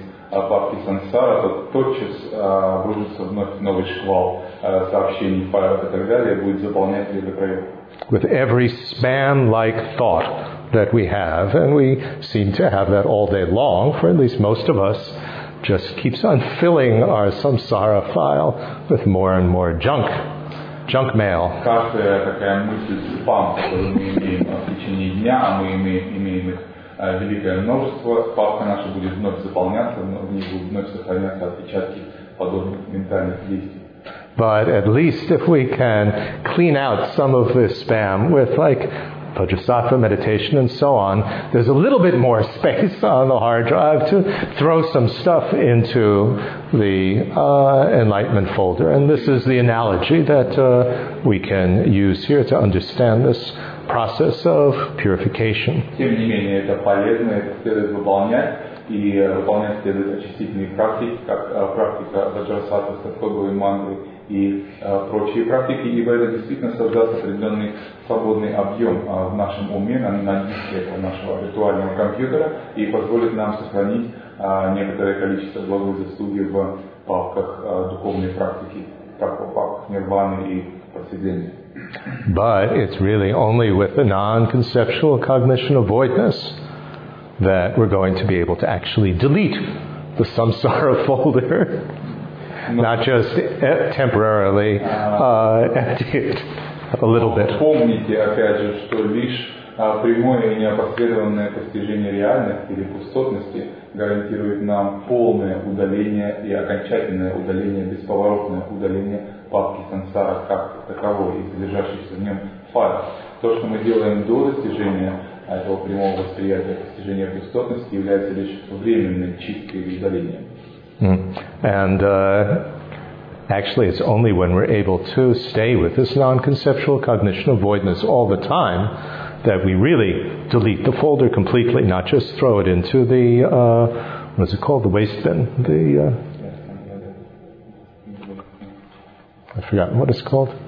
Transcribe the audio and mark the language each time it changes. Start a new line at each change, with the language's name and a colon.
Russian: Папки сансара, то тотчас вружится вновь новый шквал сообщений, файлов и так далее, будет заполнять ее до краев.
English: With every spam-like thought that we have, and we seem to have that all day long, for at least most of us, just keeps on filling our samsara file with more and more junk. Junk mail.
Russian: Каждая такая мысль спам, которую мы имеем в течение дня, а мы имеем их великое множество, папка наша будет вновь заполняться, в ней будут вновь сохраняться отпечатки подобных ментальных действий.
English: But at least if we can clean out some of this spam with like Bodhisattva meditation and so on, there's a little bit more space on the hard drive to throw some stuff into the enlightenment folder. And this is the analogy that we can use here to understand this process of purification.
Russian: Тем не менее, это полезно, это следует выполнять, и выполнять следует очистительные практики, как практика Bodhisattva, Садхогу и Мандры, и прочие практики, ибо это действительно создаст определенный свободный объем в нашем уме, на диске нашего ритуального компьютера, и позволит нам сохранить некоторое количество благой заслуги в папках духовной практики, как в папках нирваны и просветления.
English: But it's really only with the non-conceptual cognition of voidness that we're going to be able to actually delete the samsara folder. Not just temporarily empty it a little bit.
Russian: Помните, опять же, что лишь прямое и неопосредованное постижение реальности или пустотности гарантирует нам полное удаление и окончательное удаление, бесповоротное удаление папки сансара как таковой из лежащихся в нем файлов. То, что мы делаем до достижения этого прямого восприятия, постижения пустотности, является лишь временной чисткой и удалением.
English: And actually, it's only when we're able to stay with this non-conceptual cognition of voidness all the time that we really delete the folder completely, not just throw it into the, what is it called, the waste bin? The I've forgotten what it's called.